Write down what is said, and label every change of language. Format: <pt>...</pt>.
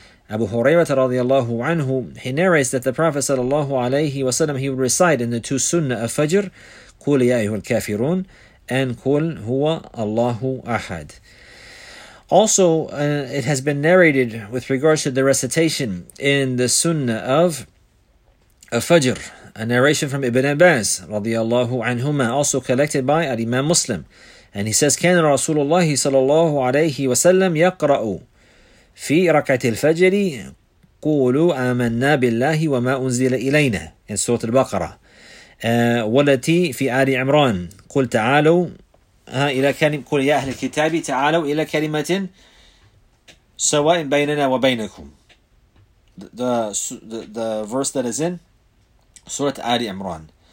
<en>Abu Hurairah radiallahu anhu, he narrates that the Prophet</en> <ar>صلى الله عليه وسلم,</ar> <en>he would recite in the two sunnah of Fajr,</en> <ar>قُلْ يَا أَيُّهَا الْكَافِرُونَ</ar> <en>and kul huwa Allahu ahad. Also, it has been narrated with regards to the recitation in the sunnah of Fajr, a narration from Ibn Abbas radiyallahu anhuma, also collected by al-Imam Muslim. And he says,</en> <ar>كان رسول الله صلى الله عليه وسلم يقرأ في ركعة الفجر قولوا آمنا بالله وما أنزل إلينا</ar> <en>in Surah Al-Baqarah.</en> <ar>والتي في آل عمران قل تعالوا إلى كلمة قل يا أهل الكتاب تعالوا إلى كلمة سواء بيننا وبينكم.</ar> <en>The verse that is in Surah آل عمران.</en>